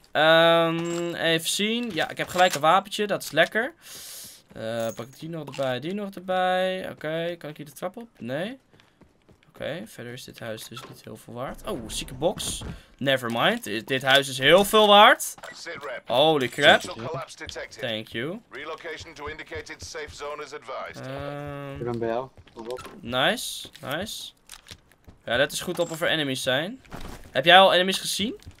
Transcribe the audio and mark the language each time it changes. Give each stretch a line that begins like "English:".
Dutch: Even zien. Ja, ik heb gelijk een wapentje, dat is lekker. Pak ik die nog erbij. Oké, kan ik hier de trap op? Nee. Oké, verder is dit huis dus niet heel veel waard. Oh, zieke box.
English: Never mind.
Dutch: Dit huis is heel veel waard.
English: Holy crap. Thank you. Relocation to indicated safe zone is advised.
Dutch: Nice. Ja, let eens goed op of er enemies zijn. Heb jij al enemies gezien?